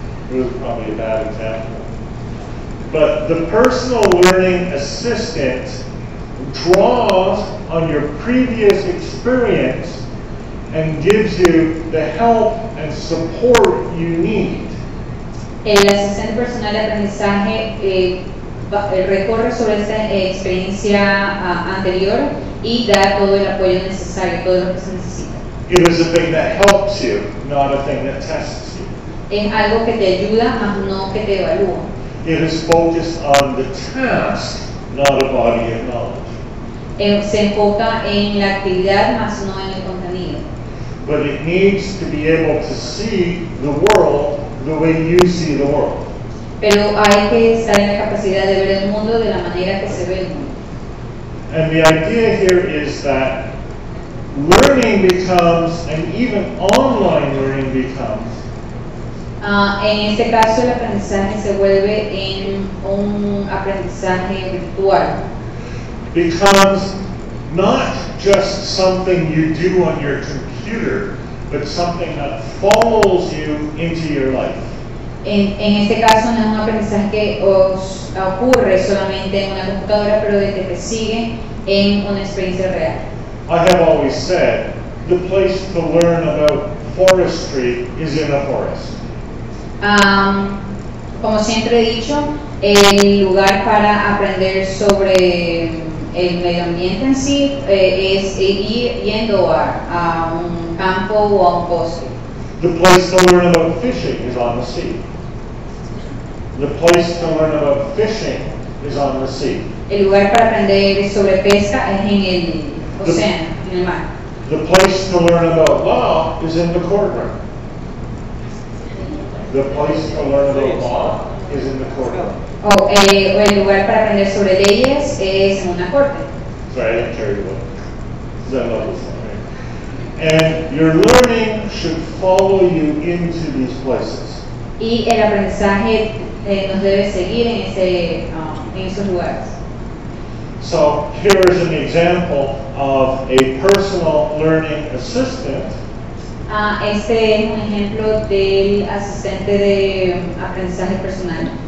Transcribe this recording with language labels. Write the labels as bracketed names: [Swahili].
[English] It was probably a bad example. But the personal learning assistant draws on your previous experience and gives you the help and support you need. [Spanish] El asistente personal de aprendizaje recorre sobre esta experiencia anterior y da todo el apoyo necesario, todo lo que se necesita. [English] It is a thing that helps you, not a thing that tests you. [Spanish] Es algo que te ayuda, mas no que te evalúa. [English] It is focused on the task, not a body of knowledge. [Spanish] Se enfoca en la actividad, mas no en el contenido. [English] but it needs to be able to see the world the way you see the world. [Spanish] Pero hay que estar en la capacidad de ver el mundo de la manera que se ve el mundo. [English] And the idea here is that learning becomes, and even online learning becomes. [Spanish] En este caso, el aprendizaje se vuelve en un aprendizaje virtual. [English] Becomes not just something you do on your computer, but something that follows you into your life. [Spanish] En este caso no es un aprendizaje que os ocurre solamente en una computadora, pero de que te sigue en una experiencia real. [English] I have always said the place to learn about forestry is in a forest. [Spanish] Como siempre he dicho, el lugar para aprender sobre el medio ambiente en sí es ir yendo a un campo o a un bosque. [English] The place to learn about fishing is on the sea. The place to learn about fishing is on the sea. [Spanish] El lugar para aprender sobre pesca es en el océano, en el mar. [English] The place to learn about law is in the courtroom. The place to learn about law is in the courtroom. [Spanish] Oh, el lugar para aprender sobre leyes es en una corte. [English] Sorry, I didn't carry the book. That level is not right. And your learning should follow you into these places. [Spanish] Y el aprendizaje nos debe seguir en ese en esos lugares. [English] So here is an example of a personal learning assistant. [Spanish] Este es un ejemplo del asistente de aprendizaje personal.